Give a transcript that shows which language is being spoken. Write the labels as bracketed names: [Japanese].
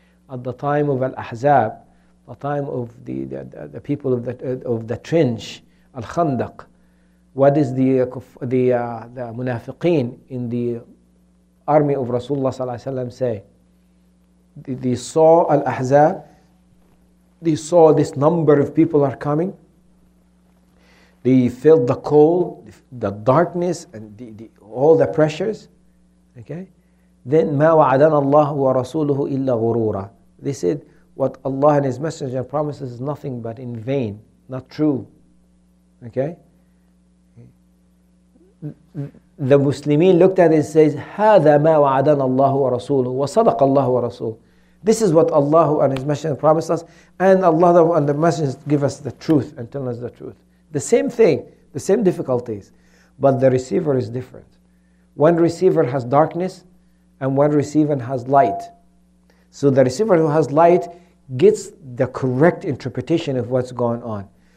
[English] At the time of Al-Ahzab, the time of the people of the trench, Al-Khandaq, what is the munafiqeen in the army of Rasulullah sallallahu alayhi wa sallam say? They saw Al-Ahzab, they saw this number of people are coming, they felt the cold, the darkness, and all the pressures, okay? [Arabic] Then, ما وعدنا الله ورسوله إلا غرورا. [English] They said, what Allah and His Messenger promises is nothing but in vain, not true. Okay? The Muslimin looked at it and says, [Arabic] هَذَا مَا وَعَدَنَا اللَّهُ وَرَسُولُهُ وَصَدَقَ اللَّهُ وَرَسُولُهُ. [English] This is what Allah and His Messenger promised us, and Allah and the Messenger give us the truth and tell us the truth. The same thing, the same difficulties, but the receiver is different. One receiver has darkness, and one receiver has light. So the receiver who has light gets the correct interpretation of what's going on.